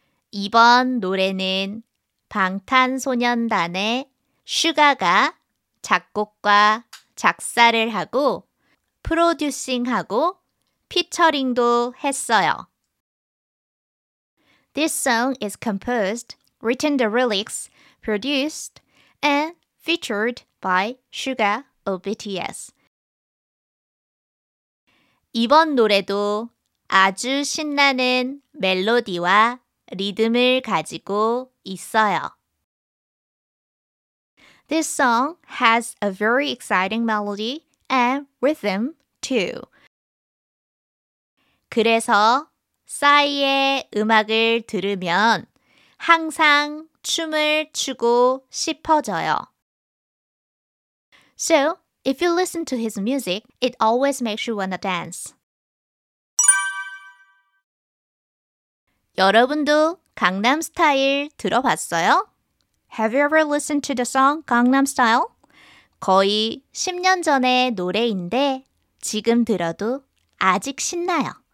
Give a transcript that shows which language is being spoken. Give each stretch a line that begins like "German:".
Korean: 이번 노래는 방탄소년단의 슈가가 작곡과 작사를 하고 프로듀싱하고 피처링도 했어요.
English: This song is composed, written the lyrics, produced, and featured by Suga of BTS.
Korean: 이번 노래도 아주 신나는 멜로디와 리듬을 가지고 있어요.
English: This song has a very exciting melody and rhythm too.
Korean: 그래서 싸이의 음악을 들으면 항상 춤을 추고 싶어져요.
English: So, if you listen to his music, it always makes you wanna dance.
Korean: 여러분도 강남 스타일 들어봤어요?
English: Have you ever listened to the song Gangnam Style?
Korean: 거의 10년 전의 노래인데 지금 들어도 아직 신나요.